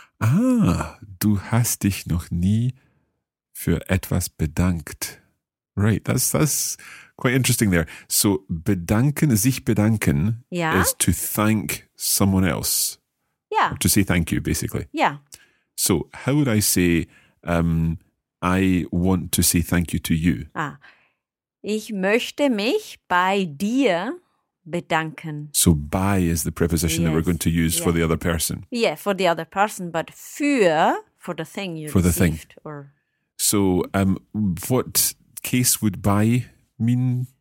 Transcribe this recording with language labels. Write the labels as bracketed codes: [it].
[de] Ah, du hast dich noch nie für etwas bedankt. [en] Right, that's quite interesting there. So bedanken, sich bedanken, is to thank someone else. Yeah. Or to say thank you, basically. Yeah. So how would I say, I want to say thank you to you? [de] Ah, ich möchte mich bei dir bedanken. [en] So by is the preposition that we're going to use for the other person. Yeah, for the other person, but for the thing you received. So what case would by mean?